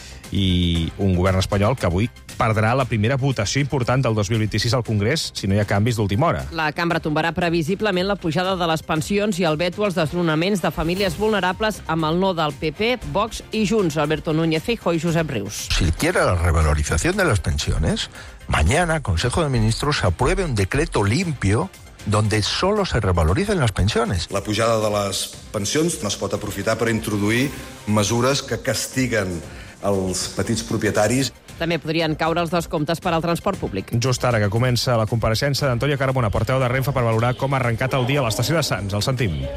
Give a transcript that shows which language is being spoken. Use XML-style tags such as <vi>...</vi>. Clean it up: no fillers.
<ca>I un govern espanyol que avui perdrà la primera votació important del 2026 al Congrés si no hi ha canvis d'última hora. La cambra tombarà previsiblement la pujada de les pensions i el veto als desnonaments de famílies vulnerables amb el no del PP, Vox i Junts, Alberto Núñez Feijóo i Josep Rius.</ca> <es>Si quiere la revalorización de las pensiones, mañana Consejo de Ministros apruebe un decreto limpio donde solo se revaloricen las pensiones.</es> <ca>La pujada de les pensions no es pot aprofitar per introduir mesures que castiguen els petits propietaris. També podrien caure els descomptes per al transport públic. Just ara que comença la compareixença d'Antonio Carmona, porteu de Renfe, per valorar com ha arrencat el dia a l'estació de Sants. El sentim.</ca>